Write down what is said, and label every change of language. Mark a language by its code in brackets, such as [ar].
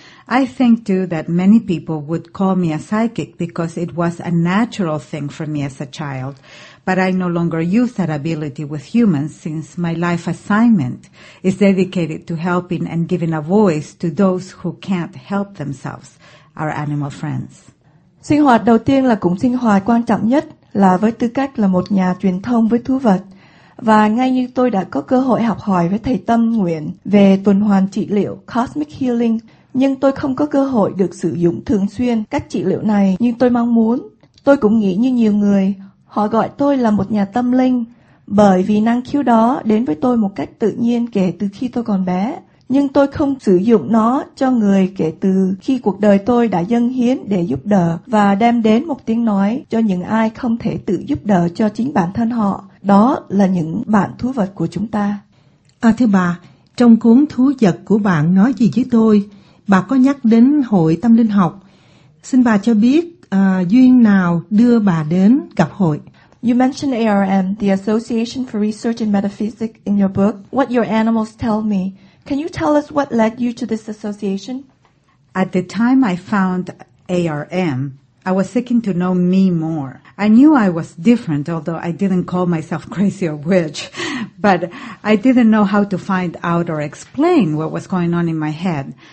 [en] I think too that many people would call me a psychic because it was a natural thing for me as a child. But I no longer use that ability with humans since my life assignment is dedicated to helping and giving a voice to those who can't help themselves, our animal friends. [vi] Sinh hoạt đầu tiên là cũng sinh hoạt quan trọng nhất là với tư cách là một nhà truyền thông với thú vật. Và ngay như tôi đã có cơ hội học hỏi với thầy Tâm Nguyện về tuần hoàn trị liệu Cosmic Healing, nhưng tôi không có cơ hội được sử dụng thường xuyên các trị liệu này như tôi mong muốn. Tôi cũng nghĩ như nhiều người, họ gọi tôi là một nhà tâm linh bởi vì năng khiếu đó đến với tôi một cách tự nhiên kể từ khi tôi còn bé. Nhưng tôi không sử dụng nó cho người kể từ khi cuộc đời tôi đã dâng hiến để giúp đỡ và đem đến một tiếng nói cho những ai không thể tự giúp đỡ cho chính bản thân họ. Đó là những bạn thú vật của chúng ta. À, thưa bà, trong cuốn Thú vật của bạn nói gì với tôi, bà có nhắc đến hội tâm linh học. Xin bà cho biết duyên nào đưa bà đến gặp hội. [en] You mentioned ARM, the Association for Research in Metaphysics, in your book, What Your Animals Tell Me. Can you tell us what led you to this association? At the time I found ARM, I was seeking to know me more. I knew I was different, although I didn't call myself crazy or witch, but I didn't know how to find out or explain what was going on in my head.